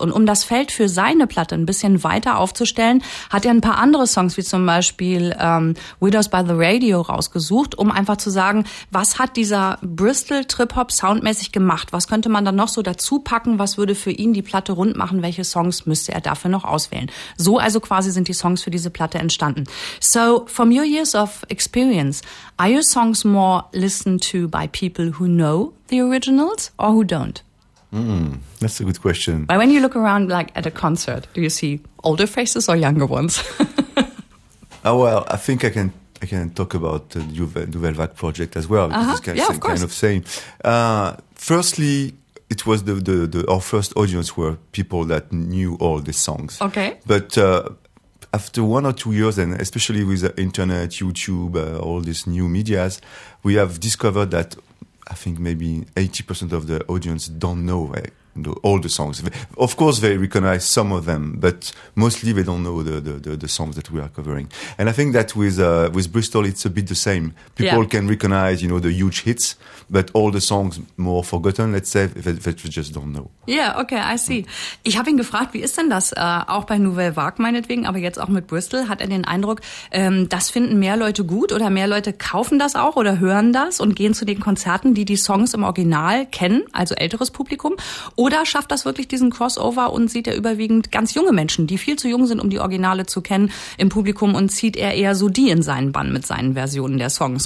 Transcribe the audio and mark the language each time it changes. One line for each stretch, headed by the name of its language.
German: Und um das Feld für seine Platte ein bisschen weiter aufzustellen, hat er ein paar andere Songs, wie zum Beispiel Widows by the Radio, rausgesucht, um einfach zu sagen, was hat dieser Bristol Trip-Hop soundmäßig gemacht? Was könnte man dann noch so dazu packen? Was würde für ihn die Platte rund machen, welche Songs müsste er dafür noch auswählen. So also quasi sind die Songs für diese Platte entstanden.
English: So, from your years of experience, are your songs more listened to by people who know the originals or who don't? That's a good question. But when you look around like at a concert, do you see older faces or younger ones? Oh, well, I think I can talk about the Nouvelle Vague project as well. Uh-huh. It's kind, yeah, same, of course. Kind of same. Firstly, it was our first audience were people that knew all the songs. Okay. But after 1 or 2 years, and especially with the internet, YouTube, all these new medias, we have discovered that I think maybe 80% of the audience don't know all the songs. Of course, they recognize some of them, but mostly they don't know the songs that we are covering. And I think that with Bristol, it's a bit the same. People can recognize, you know, the huge hits, but all the songs more forgotten, let's say, that we just don't know. Yeah, okay, I see.
German: Ich habe ihn gefragt, wie ist denn das, auch bei Nouvelle Vague meinetwegen, aber jetzt auch mit Bristol, hat er den Eindruck, das finden mehr Leute gut oder mehr Leute kaufen das auch oder hören das und gehen zu den Konzerten, die die Songs im Original kennen, also älteres Publikum. Oder schafft das wirklich diesen Crossover und sieht er überwiegend ganz junge Menschen, die viel zu jung sind, um die Originale zu kennen, im Publikum und zieht er eher so die in seinen Bann mit seinen Versionen der Songs?